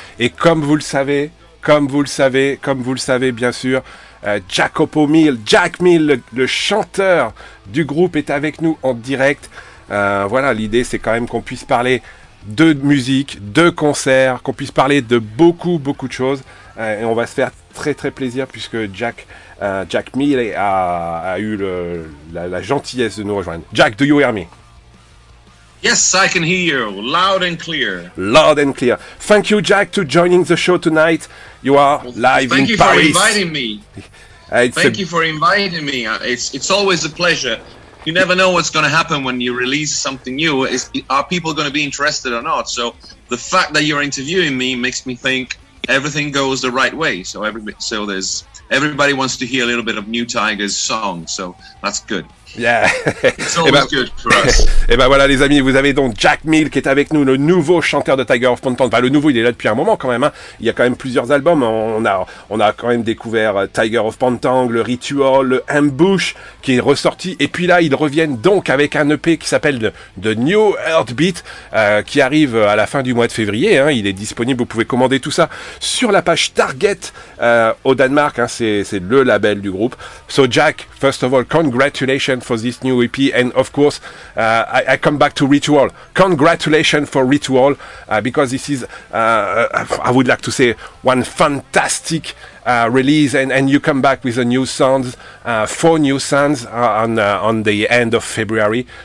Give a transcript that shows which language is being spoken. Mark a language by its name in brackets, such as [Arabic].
[French] Et comme vous le savez, bien sûr, Jacopo Mill, Jack Mill, le chanteur du groupe est avec nous en direct. Voilà, l'idée c'est quand même qu'on puisse parler de musique, de concerts, qu'on puisse parler de beaucoup, beaucoup de choses. Et on va se faire très très plaisir puisque Jack Mill a eu la gentillesse de nous rejoindre. [English] Jack, do you hear me? Yes, I can hear you loud and clear. Loud and clear. Thank you, Jack, to joining the show tonight. You are live in Paris. Thank you for inviting me. It's always a pleasure. You never know what's going to happen when you release something new. Are people going to be interested or not? So the fact that you're interviewing me makes me think everything goes the right way. Everybody wants to hear a little bit of New Tiger's song, so that's good. Yeah. It's always good for us. [French] Et ben voilà les amis, vous avez donc Jack Mill qui est avec nous, le nouveau chanteur de Tiger of Pontan. Enfin le nouveau, il est là depuis un moment quand même. Hein. Il y a quand même plusieurs albums. On a quand même découvert Tiger of Pontan, le Ritual, le Ambush qui est ressorti. Et puis là, ils reviennent donc avec un EP qui s'appelle The New Heartbeat qui arrive à la fin du mois de février. Hein. Il est disponible, vous pouvez commander tout ça sur la page Target au Danemark. Hein. C'est le label du groupe. [English] So Jack, first of all, congratulations for this new EP, and of course I come back to Ritual. Congratulations for Ritual, because this is I would like to say one fantastic release, and you come back with a new sounds, four new sounds on the end of February.